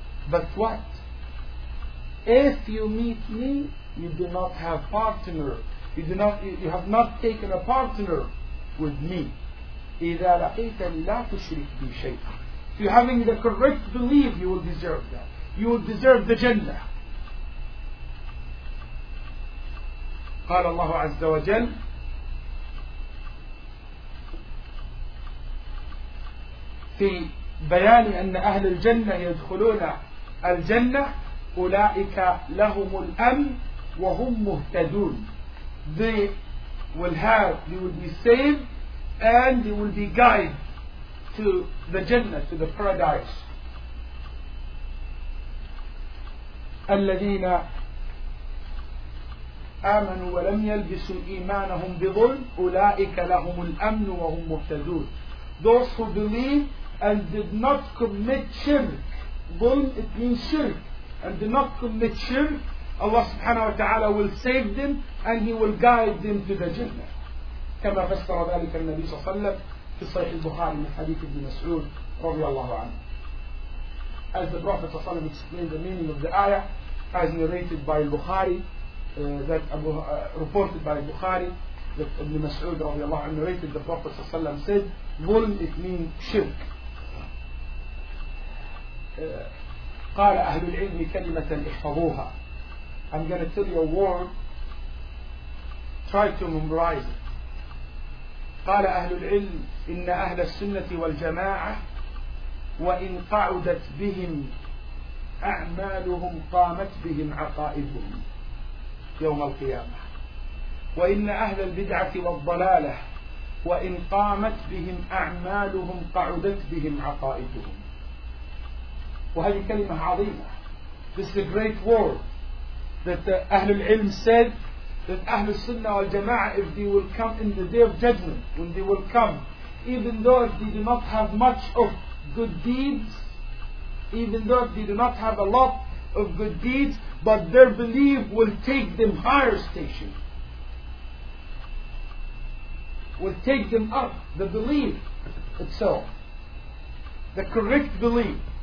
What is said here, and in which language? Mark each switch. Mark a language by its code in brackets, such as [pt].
[en] But what? If you meet me, you do not have partner. You do not. You have not taken a partner with me. [ar] إِذَا لَقِيْتَنِ لَا تُشْرِكْ بِي شَيْطًا. [en] If you're having the correct belief, you will deserve that. You will deserve the Jannah. [ar] قال الله عز وجل في بيان أن أهل الجنة يدخلون الجنة أولئك لهم الأمن وهم مهتدون. [en] They will have, they will be saved, and they will be guided to the Jannah, to the paradise. [ar] الذين آمنوا ولم يلبسوا إيمانهم بظلم أولئك لهم الأمن وهم مهتدون. [en] Those who believe and did not commit shirk. Dhulm, it means shirk. And did not commit shirk, Allah subhanahu wa ta'ala will save them and He will guide them to the Jannah. [ar] كما فسر ذلك النبي صلى الله عليه وسلم في صحيح البخاري من حديث ابن مسعود رضي الله عنه. [en] As the Prophet [ar] صلى الله عليه وسلم [en] explained the meaning of the ayah as narrated by Bukhari, reported by Bukhari, that Ibn Mas'ud [ar] رضي الله عنه [en] narrated the Prophet صلى الله عليه وسلم said, ظلم, it means shirk. [ar] قال أهل العلم كلمة احفظوها. [en] I'm going to tell you a word, try to memorize it. [ar] قال أهل العلم إن أهل السنة والجماعة وإن قعدت بهم أعمالهم قامت بهم عقائدهم يوم القيامة وإن أهل البدعة والضلالة وإن قامت بهم أعمالهم قعدت بهم عقائدهم. وهذه كلمة عظيمة. [en] This is a great word. that the Ahlul Ilm said that Ahlul Sunnah wal Jama'ah, if they will come in the Day of Judgment, when they will come, even though if they do not have much of good deeds, even though if they do not have a lot of good deeds, but their belief will take them higher station, will take them up, the belief itself, the correct belief.